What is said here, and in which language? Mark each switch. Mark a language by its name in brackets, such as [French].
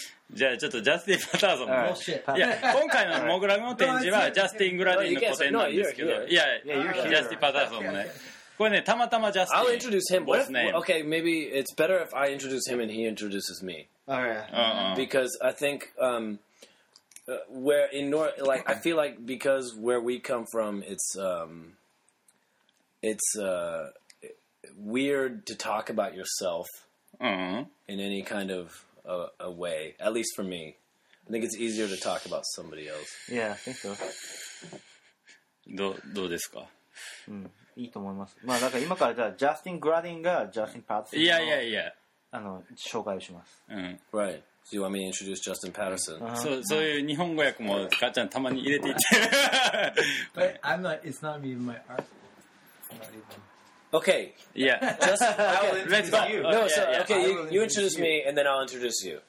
[Japanese] じゃあちょっとジャスティン・パターソン、 [English] right. [Japanese] いや今回のモグラグの展示はジャスティン・グラディンの個展なんですけど、いやジャスティン・パターソンもね、これねたまたまジャスティン、 [English] I'll introduce him. What's name? Okay, maybe it's better if I introduce him and he introduces me. Because I think I feel like because where we come from it's weird to talk about yourself in any kind of a way, at least for me. I think it's easier to talk about somebody else. Yeah, I think so. [Japanese] どうですか？いいと思います。まあだから今からじゃあ、ジャスティン・グラディンがジャスティン・パターソン [English] の、yeah. [Japanese] あの紹介をします。 [English] Mm-hmm. Right. So you want me to introduce Justin Patterson? [Japanese] So いう日本語訳もかっちゃんたまに入れていて。 [English] But I'm not, it's not even my art. Not even... Okay. Yeah. Just okay, let's go. No, so okay, you introduce me and then I'll introduce you.